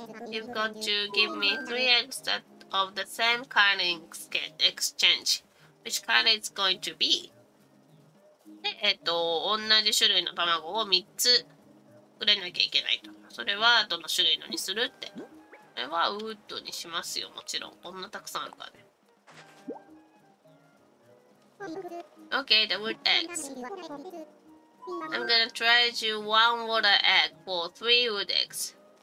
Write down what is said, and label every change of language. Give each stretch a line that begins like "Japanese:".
English: You've got to give me 3 eggs that of the same kind in exchange. Which kind is going to be?
Japanese: で、同じ種類の卵を3つくれなきゃいけないと。それは、どの種類のにするって。それは、ウッドにしますよ、もちろん。こんなたくさんあるからね。
English: Okay, the wood eggs. I'm gonna trade you one water egg for 3 wood eggs.